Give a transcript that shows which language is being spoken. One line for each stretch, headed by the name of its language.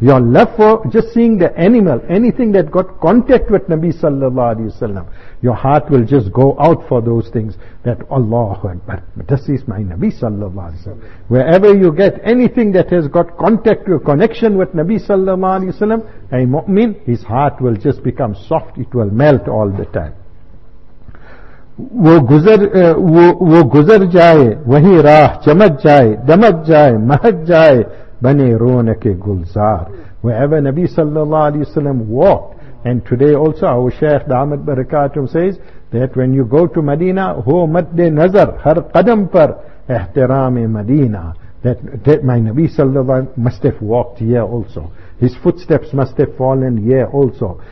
English: Your love for just seeing the animal, anything that got contact with Nabi sallallahu alayhi wa sallam, your heart will just go out for those things that Allahu Akbar. This is my Nabi sallallahu alayhi wa sallam. Wherever you get anything that has got contact, your connection with Nabi sallallahu alayhi wa sallam, a mu'min, his heart will just become soft, it will melt all the time.
Urdu: وہ گزر جائے وہی راہ چمک جائے دمک جائے مہک جائے بنے رونق گلزار.
English: Wherever Nabi sallallahu alayhi wa sallam walked, and today also our Shaykh Damat Barakatum says that when you go to Medina,
Urdu: ho mad nazar har qadam par ihtiram Medina,
English: that my Nabi sallallahu alayhi wa sallam must have walked here also, his footsteps must have fallen here also.